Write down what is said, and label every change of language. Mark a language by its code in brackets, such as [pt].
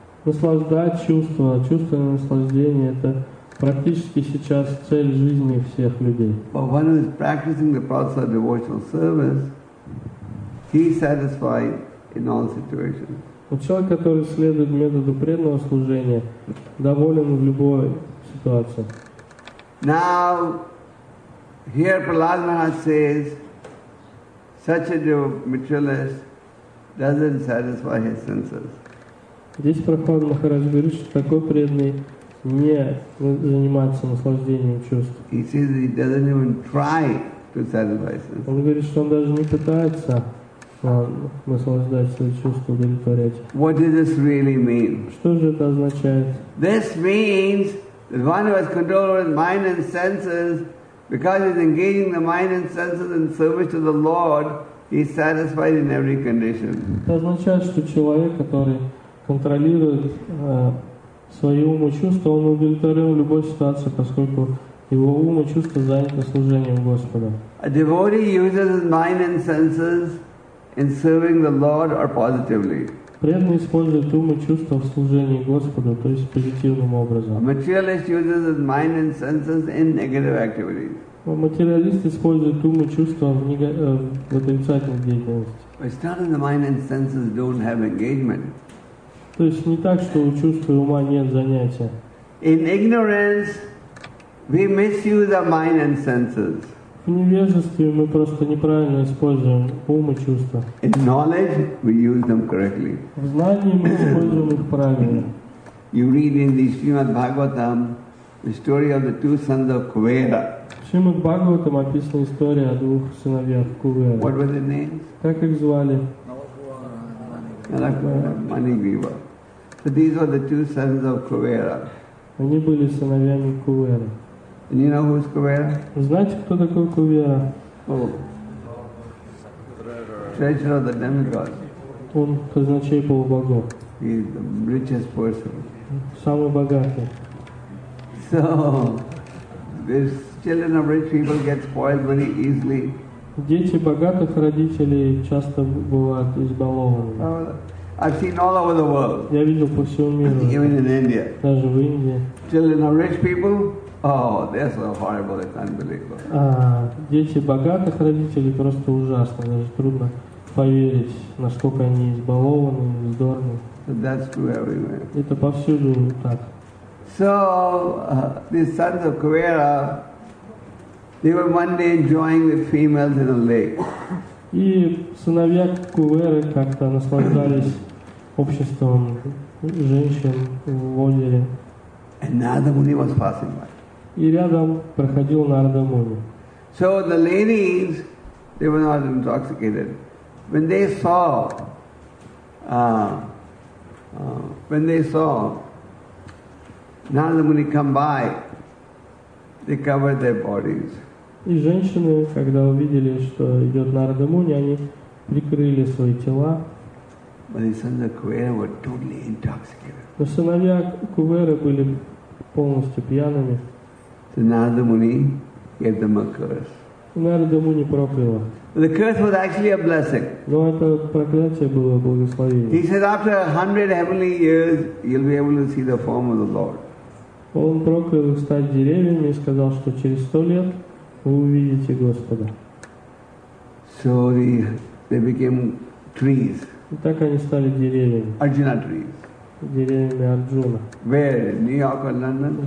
[ru] Наслаждать чувства, чувственное наслаждение, это практически сейчас цель жизни всех людей. [en] But one who is practicing the process of devotional service, he is satisfied in all situations. [ru] Но человек, который следует методу преданного служения, доволен в любой ситуации. [en] Now, here Prahlad Maharaj says, such a materialist doesn't satisfy his senses. [ru] Здесь Прохлад Махарадж говорит, что такой преданный не занимается наслаждением чувств. [en] He says he doesn't even try to satisfy his senses. [ru] Он говорит, что он даже не пытается наслаждать свои чувства, удовлетворять. [en] What does this really mean? [ru] Что же это означает? [en] This means that one who has control over his mind and senses, because he's engaging the mind and senses in service to the Lord, he's satisfied in every condition. [ru] Это означает, что человек, который контролирует свои умы чувства, он удовлетворен в любой ситуации, поскольку его ум и чувства заняты служением Господа. [en] A devotee uses his mind and senses in serving the Lord or positively. [ru] Преданный использует ум и чувства в служении Господу, то есть позитивным образом. [en] A materialist uses his mind and senses in negative activities. [ru] Материалист использует ум и чувства в отрицательной деятельности. [en] But it's not that the mind and senses don't have engagement. [ru] То есть не так, что у чувства и ума нет занятия. [en] In ignorance, we misuse our mind and senses. [ru] В невежестве мы просто неправильно используем ум и чувства. [en] In knowledge, we use them correctly. [ru] В знании мы используем их правильно. [en] You read in the Srimad Bhagavatam the story of the two sons of Kuvera. [ru] В Srimad Bhagavatam описана история о двух сыновьях Кувера. [en] What were their names? [ru] Как их звали? [en] Manigriva. So these were the two sons of Kuvera. [ru] Они были сыновьями Кувера. [en] And you know who is Kuvera? [ru] Знаете, кто такой Кувера? [en] Treasurer of the demigods. [ru] Он казначей полубогов. [en] He is the richest person. [ru] Самый богатый. [en] So, these children of rich people get spoiled very easily. [ru] Дети богатых родителей часто бывают избалованы. [en] I've seen all over the world. [ru] Я видел по всему миру. [en] Even in India. [ru] Даже в Индии. [en] Children of rich people. Oh, they're so horrible, it's unbelievable. [ru] Дети богатых родителей просто ужасно. Даже трудно поверить, насколько они избалованы, вздорны. [en] That's true everywhere. [ru] Это повсюду так. [en] So, these sons of Kuvera, they were one day enjoying with females in a lake. [ru] И сыновья Куверы как-то наслаждались обществом женщин в озере. [en] And Narada Muni was passing by. [ru] И рядом проходил Нарада Муни. [en] So the ladies, they were not intoxicated. When they saw, Narada Muni come by, they covered their bodies. [ru] И женщины, когда увидели, что идет Нарада Муни, они прикрыли свои тела. [en] But the sons of Kuvera were totally intoxicated. [ru] Но сыновья Кувера были полностью пьяными. [en] So Narada Muni gave them a curse. [ru] Narada Muni проклял. [en] The curse was actually a blessing. [ru] Но это проклятие было благословением. [en] He said, after 100 heavenly years, you'll be able to see the form of the Lord. [ru] Он проклял их стать деревьями и сказал, что через 100 лет вы увидите Господа. [en] So they became trees. [ru] И так они стали деревьями. [en] Arjuna trees. [ru] Деревьями Арджуна. [en] Where? New York or London?